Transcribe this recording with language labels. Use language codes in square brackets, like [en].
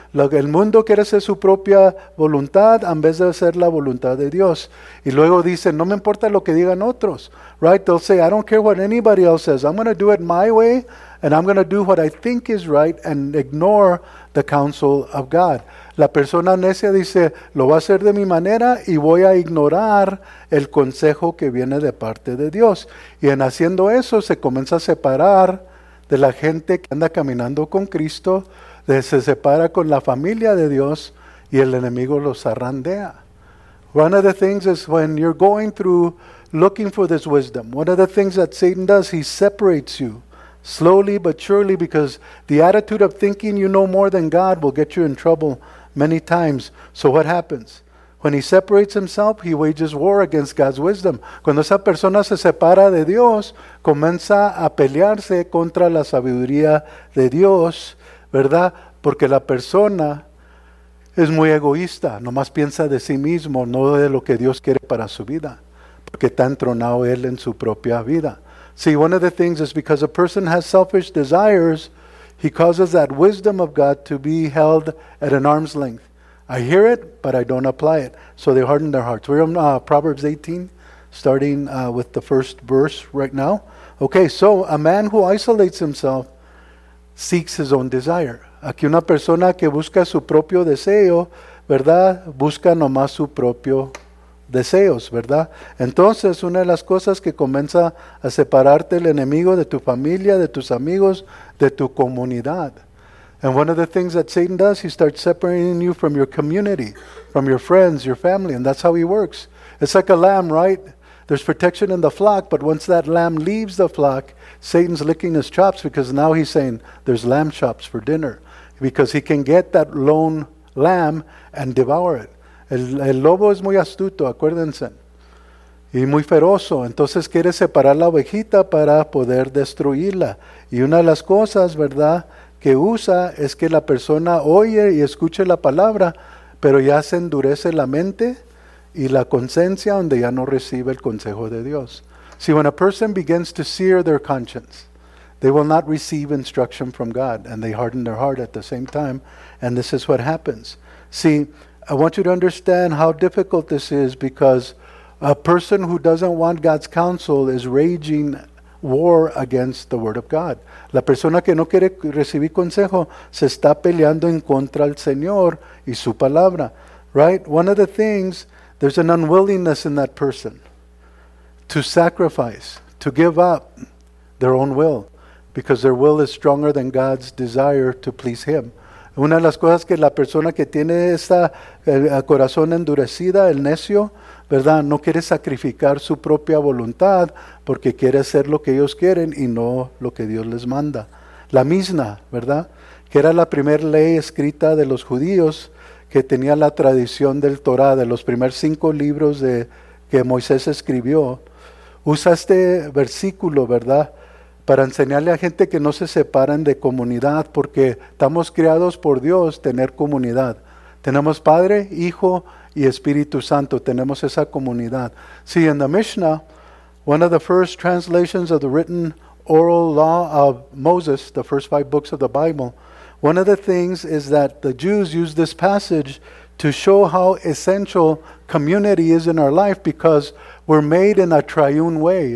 [es] Lo que el mundo quiere hacer su propia voluntad en vez de hacer la voluntad de Dios. Y luego dicen, no me importa lo que digan otros. [en] Right? They'll say, I don't care what anybody else says. I'm going to do it my way, and I'm going to do what I think is right, and ignore the counsel of God. [es] La persona necia dice, lo voy a hacer de mi manera y voy a ignorar el consejo que viene de parte de Dios. Y en haciendo eso, se comienza a separar de la gente que anda caminando con Cristo, se separa con la familia de Dios y el enemigo los zarandea. [en] One of the things is when you're going through looking for this wisdom, one of the things that Satan does, he separates you slowly but surely, because the attitude of thinking you know more than God will get you in trouble many times. So what happens? When he separates himself, he wages war against God's wisdom. [es] Cuando esa persona se separa de Dios, comienza a pelearse contra la sabiduría de Dios, ¿verdad? Porque la persona es muy egoísta, nomás piensa de sí mismo, no de lo que Dios quiere para su vida, porque está entronado él en su propia vida. [en] See, one of the things is because a person has selfish desires, he causes that wisdom of God to be held at an arm's length. I hear it, but I don't apply it. So they harden their hearts. We're in Proverbs 18, starting with the first verse right now. Okay, so a man who isolates himself seeks his own desire. [es] Aquí una persona que busca su propio deseo, ¿verdad? Busca nomás su propio deseos, ¿verdad? Entonces, una de las cosas que comienza a separarte el enemigo de tu familia, de tus amigos, de tu comunidad. [en] And one of the things that Satan does, he starts separating you from your community, from your friends, your family, and that's how he works. It's like a lamb, right? There's protection in the flock, but once that lamb leaves the flock, Satan's licking his chops because now he's saying, there's lamb chops for dinner. Because he can get that lone lamb and devour it. [es] El lobo es muy astuto, acuérdense. Y muy feroso. Entonces quiere separar la ovejita para poder destruirla. Y una de las cosas, ¿verdad?, que usa es que la persona oye y escuche la palabra, pero ya se endurece la mente y la conciencia donde ya no recibe el consejo de Dios. [en] See, when a person begins to sear their conscience, they will not receive instruction from God, and they harden their heart at the same time, and this is what happens. See, I want you to understand how difficult this is, because a person who doesn't want God's counsel is raging war against the word of God. [es] La persona que no quiere recibir consejo se está peleando en contra del Señor y su palabra. [en] Right? One of the things, there's an unwillingness in that person to sacrifice, to give up their own will, because their will is stronger than God's desire to please Him. [es] Una de las cosas que la persona que tiene esta corazón endurecida, el necio, ¿verdad? No quiere sacrificar su propia voluntad porque quiere hacer lo que ellos quieren y no lo que Dios les manda. La misna, ¿verdad? Que era la primera ley escrita de los judíos, que tenía la tradición del Torá, de los primeros 5 libros que Moisés escribió. Usa este versículo, ¿verdad?, para enseñarle a gente que no se separen de comunidad, porque estamos creados por Dios tener comunidad. Tenemos Padre, Hijo y Espíritu Santo. Tenemos esa comunidad. [en] See, in the Mishnah, one of the first translations of the written oral law of Moses, the first 5 books of the Bible, one of the things is that the Jews use this passage to show how essential community is in our life, because we're made in a triune way.